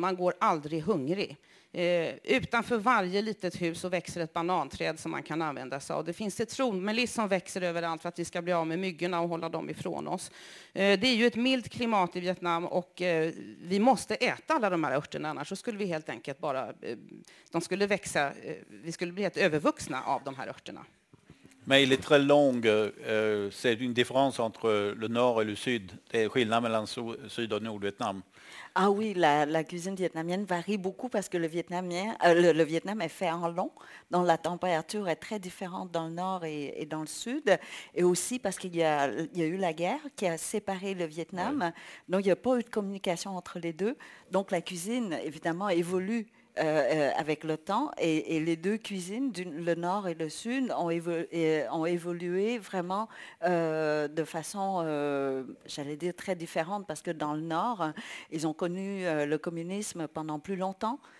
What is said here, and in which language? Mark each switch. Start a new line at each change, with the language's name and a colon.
Swedish: Man går aldrig hungrig. Utanför varje litet hus så växer ett bananträd som man kan använda sig av. Det finns citronmeliss som växer överallt för att vi ska bli av med myggorna och hålla dem ifrån oss. Det är ju ett mildt klimat i Vietnam och vi måste äta alla de här örterna, annars så skulle vi helt enkelt bara de skulle växa, vi skulle bli helt övervuxna av de här örterna.
French: Men il est très long, c'est une différence entre le nord et le sud.
Swedish: Det är skillnad mellan syd och nord Vietnam.
French: Ah oui, la cuisine vietnamienne varie beaucoup parce que le Vietnam est fait en long, donc la température est très différente dans le nord et dans le sud, et aussi parce qu'il y a eu la guerre qui a séparé le Vietnam, oui. Donc il n'y a pas eu de communication entre les deux, donc la cuisine évidemment évolue avec le temps, et les deux cuisines, le nord et le sud, ont évolué vraiment de façon, j'allais dire, très différente, parce que dans le nord, ils ont connu le communisme pendant plus longtemps,